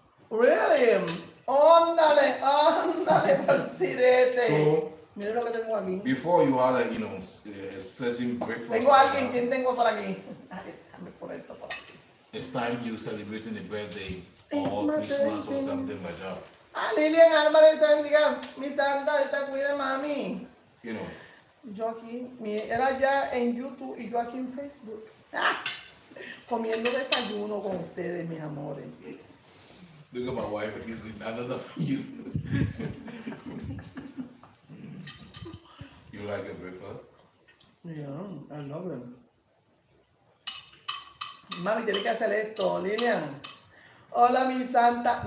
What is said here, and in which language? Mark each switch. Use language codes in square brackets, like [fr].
[es] Really? Andale, andale, pasirete. [en] So, [es] mira lo que tengo aquí. [en] Before you had a, you know, a certain breakfast. [es] Tengo alguien, ¿quién tengo por aquí? Déjame por esto por aquí. [en] It's time you celebrating a birthday or Christmas or something like that. [es] Ah, Lilian Álvarez, te bendiga. Mi santa, te cuide, mami. [en] You know. [es] Yo aquí, era ya en YouTube y yo aquí en Facebook. Comiendo desayuno con ustedes, mis amores. [en] Look at my wife, he's in another you. You like it, breakfast? Yeah, I love it. [es] Mami, tiene que hacer esto, Lilian. Hola, mi santa.